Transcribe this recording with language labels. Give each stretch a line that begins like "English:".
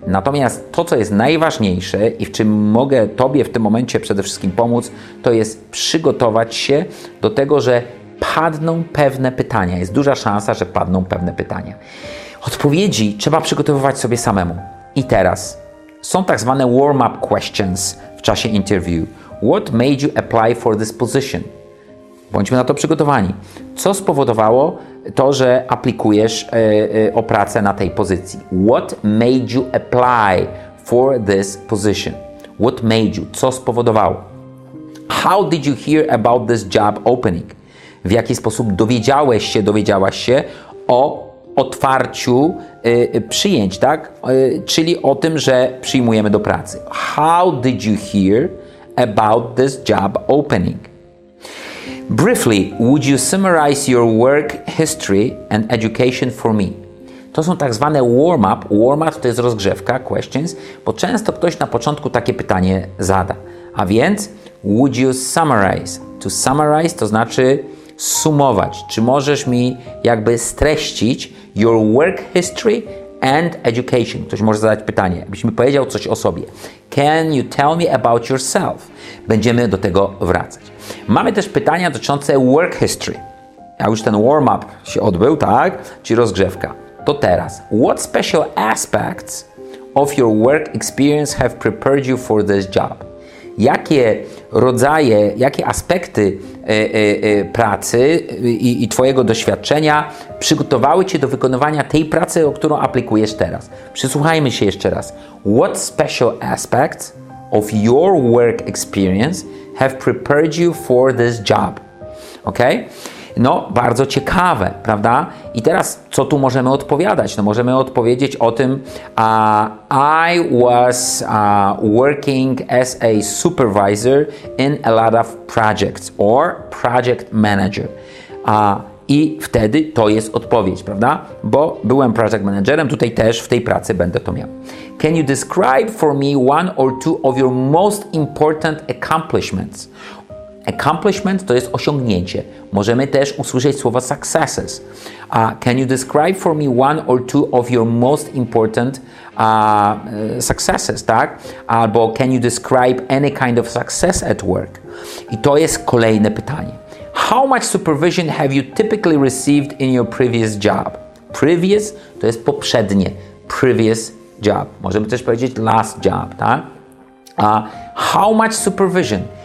Polish: Natomiast to, co jest najważniejsze i w czym mogę Tobie w tym momencie przede wszystkim pomóc, to jest przygotować się do tego, że padną pewne pytania. Jest duża szansa, że padną pewne pytania. Odpowiedzi trzeba przygotowywać sobie samemu. I teraz są tak zwane warm-up questions w czasie interview.
English: What made you apply for this position?
Polish: Bądźmy na to przygotowani. Co spowodowało to, że aplikujesz o pracę na tej pozycji?
English: What made you apply for this position? What made you?
Polish: Co spowodowało?
English: How did you hear about this job opening?
Polish: W jaki sposób dowiedziałaś się o otwarciu przyjęć, tak? Czyli o tym, że przyjmujemy do pracy.
English: How did you hear about this job opening? Briefly, would you summarize your work history and education for me?
Polish: To są tak zwane warm-up. Warm-up to jest rozgrzewka, questions, bo często ktoś na początku takie pytanie zada. A więc,
English: would you summarize?
Polish: To summarize to znaczy sumować. Czy możesz mi jakby streścić
English: your work history and education?
Polish: Ktoś może zadać pytanie, byś mi powiedział coś o sobie.
English: Can you tell me about yourself?
Polish: Będziemy do tego wracać. Mamy też pytania dotyczące work history. A już ten warm-up się odbył, tak? Czyli rozgrzewka. To teraz.
English: What special aspects of your work experience have prepared you for this job?
Polish: Jakie rodzaje, jakie aspekty pracy i Twojego doświadczenia przygotowały Cię do wykonywania tej pracy, o którą aplikujesz teraz? Przysłuchajmy się jeszcze raz.
English: What special aspects of your work experience have prepared you for this job? Ok?
Polish: No, bardzo ciekawe, prawda? I teraz, co tu możemy odpowiadać? No, możemy odpowiedzieć o tym,
English: I was working as a supervisor in a lot of projects or project manager.
Polish: I wtedy to jest odpowiedź, prawda? Bo byłem project managerem, tutaj też w tej pracy będę to miał.
English: Can you describe for me one or two of your most important accomplishments?
Polish: Accomplishment to jest osiągnięcie. Możemy też usłyszeć słowa successes.
English: Can you describe for me one or two of your most important successes, tak? Albo can you describe any kind of success at work?
Polish: I to jest kolejne pytanie.
English: How much supervision have you typically received in your previous job?
Polish: Previous to jest poprzednie. Previous job. Możemy też powiedzieć
English: last job,
Polish: tak?
English: How much supervision?